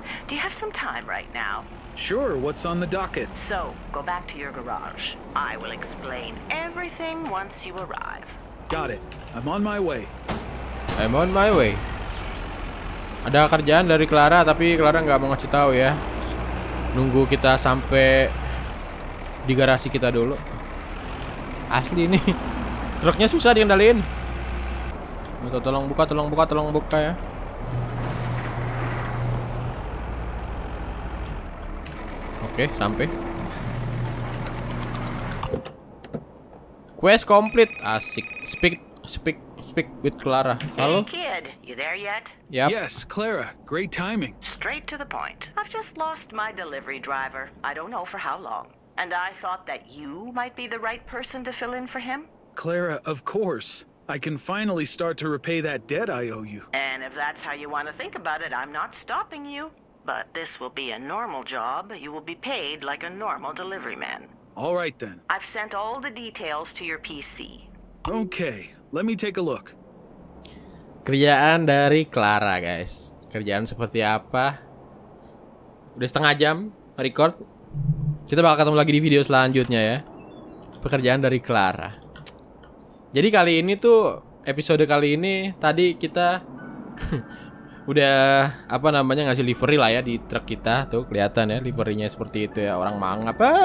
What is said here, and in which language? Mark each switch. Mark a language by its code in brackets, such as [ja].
[en] Do you have some time right now? Sure, what's on the docket? So, go back to your garage. I will explain everything once you arrive. Got it. I'm on my way. I'm on my way. [id] Ada kerjaan dari Clara, tapi Clara enggak mau ngasih tahu ya. nunggu kita sampai di garasi kita dulu. Asli ini truknya susah dikendaliin. Minta tolong buka, tolong buka, tolong buka ya. Oke, sampai. [en] Quest complete. Asik. Speak with Clara. Halo. Hey kid, you there yet? Yep. Yes, Clara. Great timing. Straight to the point. I've just lost my delivery driver. I don't know for how long. And I thought that you might be the right person to fill in for him. Clara, of course. I can finally start to repay that debt I owe you. And if that's how you want to think about it, I'm not stopping you. But this will be a normal job. You will be paid like a normal delivery man. All right then. I've sent all the details to your PC. Okay, let me take a look. [id] Kerjaan dari Clara, guys. Kerjaan seperti apa? Udah setengah jam record. Kita bakal ketemu lagi di video selanjutnya ya. Pekerjaan dari Clara. Jadi kali ini tuh episode kali ini tadi kita udah apa namanya ngasih livery lah ya di truk kita tuh kelihatan ya liverynya seperti itu ya orang mangap.